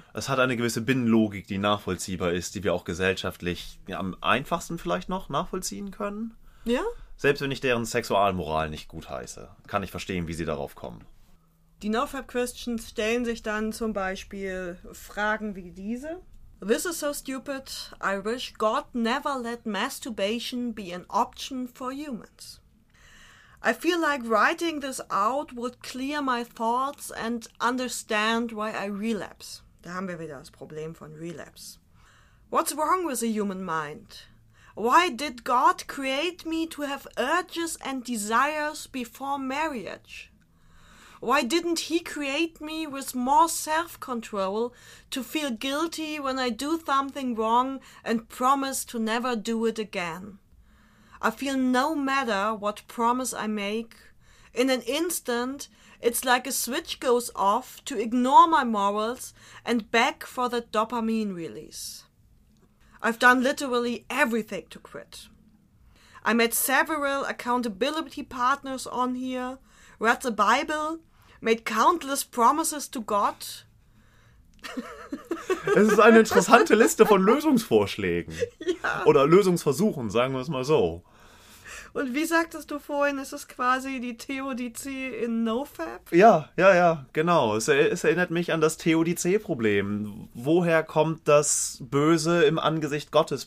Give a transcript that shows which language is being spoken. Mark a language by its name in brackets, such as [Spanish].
[German] Es hat eine gewisse Binnenlogik, die nachvollziehbar ist, die wir auch gesellschaftlich am einfachsten vielleicht noch nachvollziehen können. Ja. Selbst wenn ich deren Sexualmoral nicht gutheiße, kann ich verstehen, wie sie darauf kommen. Die NoFap-Christians stellen sich dann zum Beispiel Fragen wie diese. [English] This is so stupid, I wish God never let masturbation be an option for humans. I feel like writing this out would clear my thoughts and understand why I relapse. [German] Da haben wir wieder das Problem von Relapse. [English] What's wrong with a human mind? Why did God create me to have urges and desires before marriage? Why didn't he create me with more self-control to feel guilty when I do something wrong and promise to never do it again? I feel no matter what promise I make. In an instant, it's like a switch goes off to ignore my morals and beg for the dopamine release. I've done literally everything to quit. I met several accountability partners on here, read the Bible, made countless promises to God. [German] Es ist eine interessante Liste von Lösungsvorschlägen. Ja. Oder Lösungsversuchen, sagen wir es mal so. Und wie sagtest du vorhin, ist es quasi die Theodizee in NoFap? Ja, genau. Es erinnert mich an das Theodizee-Problem. Woher kommt das Böse im Angesicht Gottes?